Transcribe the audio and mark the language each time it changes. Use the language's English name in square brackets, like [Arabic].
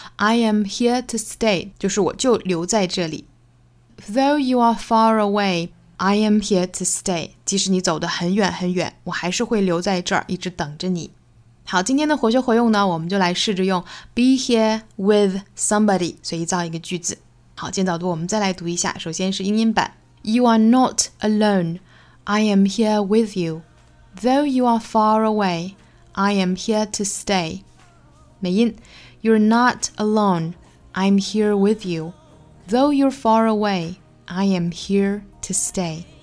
[Chinese] I am here to stay, 就是我就留在这里。 Though you are far away, I am here to stay, 即使你走得很远很远我还是会留在这儿一直等着你。好今天的活学活用呢我们就来试着用 be here with somebody, 随意造一个句子。好今天早读我们再来读一下首先是英音版。 [English] You are not alone. I am here with you. Though you are far away, I am here to stay. 美音 You're not alone. I'm here with you. Though you're far away, I am here to stay.